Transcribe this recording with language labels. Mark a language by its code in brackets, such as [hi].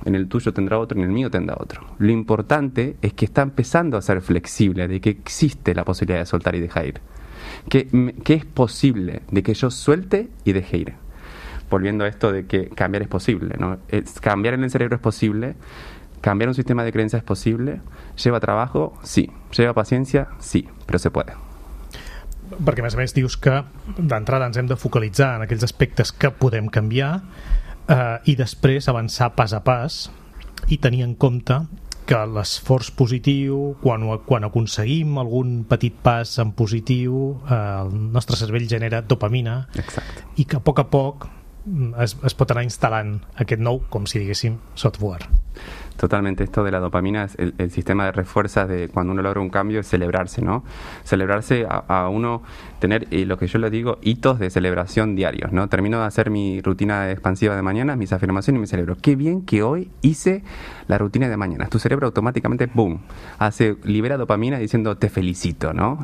[es] En el tuyo tendrá otro, en el mío tendrá otro. Lo importante es que está empezando a ser flexible, de que existe la posibilidad de soltar y dejar ir. Que es posible de que yo suelte y deje ir. Volviendo a esto de que cambiar es posible, ¿no? Cambiar en el cerebro es posible. Cambiar un sistema de creencias es posible. ¿Lleva trabajo? Sí. ¿Lleva paciencia? Sí. Pero se puede. [ca] Perquè, a més, dius que d'entrada ens hem de focalitzar en aquells aspectes que podem canviar, i després avançar pas a pas i tenir en compte que l'esforç positiu, quan aconseguim algun petit pas en positiu, el nostre cervell genera dopamina. Exacte. I que a poc a poc es pot anar instal·lant aquest nou, com si diguéssim, software. [es] Totalmente, esto de la dopamina es el sistema de refuerzas de cuando uno logra un cambio, es celebrarse, ¿no? Celebrarse a uno, tener, y lo que yo le digo, hitos de celebración diarios, ¿no? Termino de hacer mi rutina expansiva de mañana, mis afirmaciones, y me celebro. Qué bien que hoy hice la rutina de mañana. Tu cerebro automáticamente, ¡boom!, libera dopamina diciendo te felicito, ¿no?